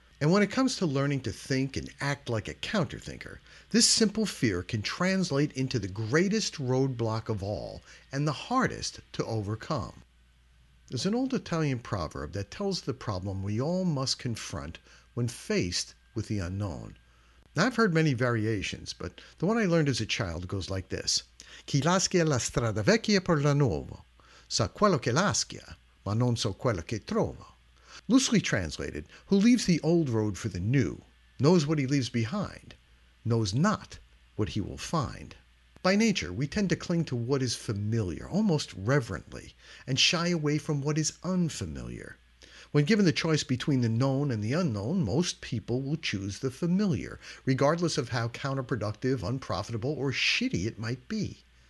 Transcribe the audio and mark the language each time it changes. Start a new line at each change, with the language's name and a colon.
English: And when it comes to learning to think and act like a counterthinker, this simple fear can translate into the greatest roadblock of all and the hardest to overcome. There's an old Italian proverb that tells the problem we all must confront when faced with the unknown. Now, I've heard many variations, but the one I learned as a child goes like this.
Italian: Chi lascia la strada vecchia per la nuova sa quello che lascia, ma non so quello che trova.
English: Loosely translated, who leaves the old road for the new knows what he leaves behind, knows not what he will find. By nature, we tend to cling to what is familiar, almost reverently, and shy away from what is unfamiliar. When given the choice between the known and the unknown, most people will choose the familiar, regardless of how counterproductive, unprofitable, or shitty it might be.